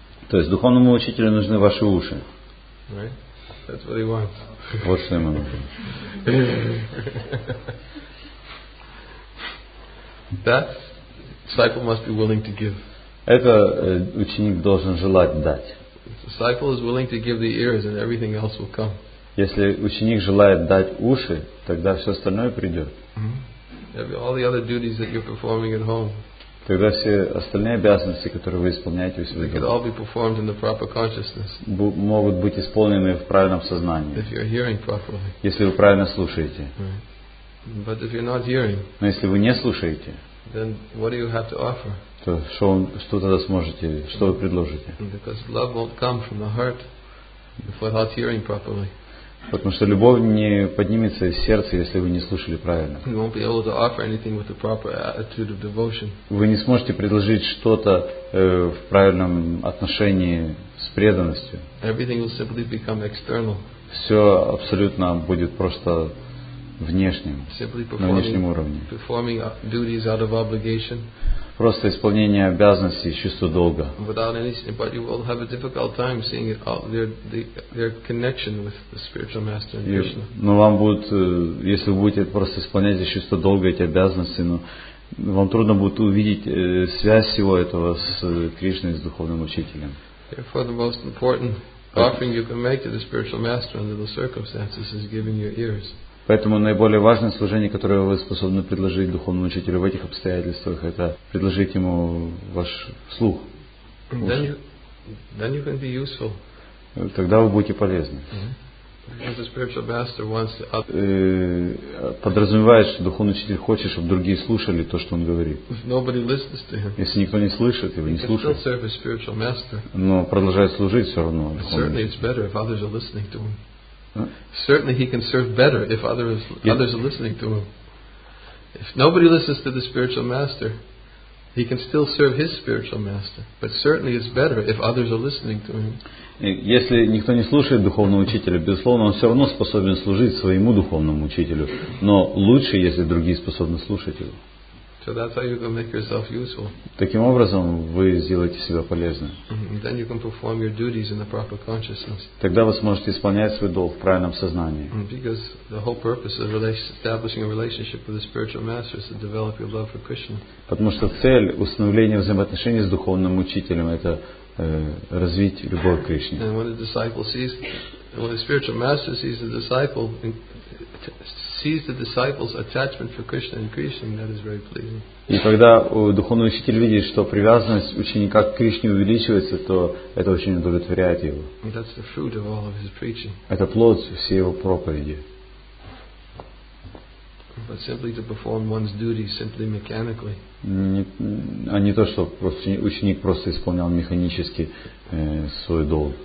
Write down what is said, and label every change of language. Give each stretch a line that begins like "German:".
Russian: То есть духовному учителю нужны ваши уши.
English: Right? That's what he wants.
Russian: Вот что ему нужно.
English: That disciple must be willing to give.
Russian: Это ученик должен желать дать.
English: Disciple is willing to give the ears and everything else will come.
Russian: Если ученик желает дать уши, тогда все остальное придет.
English: All the other duties that you're performing at home.
Russian: Тогда все остальные обязанности, которые вы исполняете у себя,
English: could all be performed in the proper consciousness.
Russian: Могут быть исполнены в правильном сознании.
English: If you're hearing properly.
Russian: Если вы правильно слушаете.
English: Right. But if you're not hearing.
Russian: Но если вы не слушаете.
English: Then what do you have to offer?
Russian: То что, что тогда сможете, что вы предложите?
English: Because love won't come from the heart without hearing properly.
Russian: Потому что любовь не поднимется из сердца, если вы не слушали правильно.
English: You won't be able to offer anything with the proper attitude of devotion.
Russian: Вы не сможете предложить что-то в правильном отношении с преданностью.
English: Everything will simply become external.
Russian: Все абсолютно будет просто внешним, на внешнем уровне.
English: Performing duties out of obligation.
Russian: Просто исполнение обязанностей и чувство долга.
English: Without anything, but you will have a difficult time seeing it all, their connection with the spiritual master and Krishna.
Russian: Но вам будет, если вы будете просто исполнять чувство долга эти обязанности, но вам трудно будет увидеть связь всего этого с Кришной, с духовным учителем.
English: Therefore, the most important offering you can make to the spiritual master under the circumstances is giving your ears.
Russian: Поэтому наиболее важное служение, которое вы способны предложить духовному учителю в этих обстоятельствах, это предложить ему ваш слух.
English: Then you can be useful.
Russian: Тогда вы будете полезны.
English: Mm-hmm. The spiritual master wants to...
Russian: Подразумевает, что духовный учитель хочет, чтобы другие слушали то, что он говорит.
English: If nobody listens to him,
Russian: если никто не слышит, его не слушает.
English: He can still serve a spiritual master.
Russian: Но продолжает служить все равно.
English: Certainly it's better if others are listening to him. Certainly he can serve better if others are listening to him. If nobody listens to the spiritual master, he can still serve his spiritual master. But certainly it's better if others are listening to him.
Russian: Если никто не слушает духовного учителя, безусловно, он все равно способен служить своему духовному учителю. Но лучше, если другие способны слушать его.
English: So that's how you can make yourself useful.
Russian: Таким образом, вы сделаете себя полезным. Mm-hmm.
English: Then you can perform your duties in the proper consciousness.
Russian: Тогда вы сможете исполнять свой долг в правильном сознании. Mm-hmm.
English: Because the whole purpose of establishing a relationship with the spiritual master is to develop your love for Krishna.
Russian: Потому что цель установления взаимоотношений с духовным учителем это развить любовь к Кришне.
English: And when the disciple sees, when the spiritual master sees the disciple. Sees the disciple's attachment for Krishna increasing, that is very pleasing.
Russian: И когда духовный учитель видит, что привязанность ученика к Кришне увеличивается, то это очень удовлетворяет его.
English: That's the fruit of all of his preaching.
Russian: Это плод всей его проповеди.
English: But simply to perform one's duty simply mechanically.
Russian: А не то, что ученик просто исполнял механически свой долг.